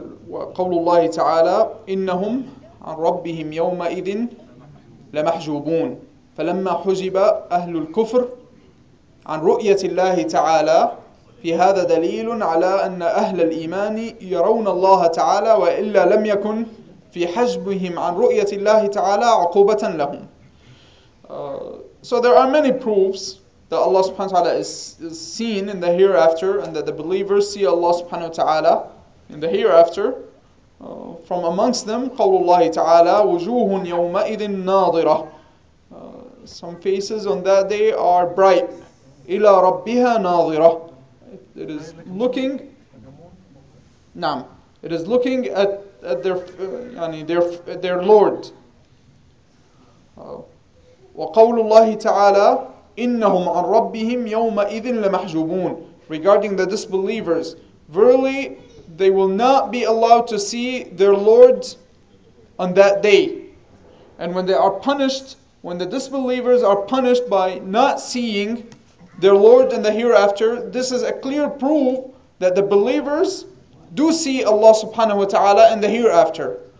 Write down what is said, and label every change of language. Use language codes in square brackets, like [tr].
[ar] وقول الله تعالى إنهم عن ربهم يومئذ لمحجوبون، فلما حجب أهل الكفر عن رؤية الله تعالى في هذا دليل على أن أهل الإيمان يرون الله تعالى، وإلا لم يكن في حجبهم عن رؤية الله تعالى عقوبة لهم. [en] So there are many proofs that Allah subhanahu wa ta'ala is seen in the hereafter, and that the believers see Allah subhanahu wa ta'ala in the hereafter. From amongst them, [ar] قَوْلُ ta'ala وُجُوهٌ يَوْمَئِذٍ نَاظِرَةٌ. [en] Some faces on that day are bright. [ar] إِلَى رَبِّهَا نَاظِرَةٌ. [en] It is looking. [ar] نعم. [en] It is looking at their, yani their Lord. [ar] وقول الله تعالى إنهم عن ربهم يومئذ لمحجوبون. [en] Regarding the disbelievers, verily they will not be allowed to see their Lord on that day. And when they are punished, when the disbelievers are punished by not seeing their Lord in the hereafter, this is a clear proof that the believers do see Allah subhanahu wa ta'ala in the hereafter.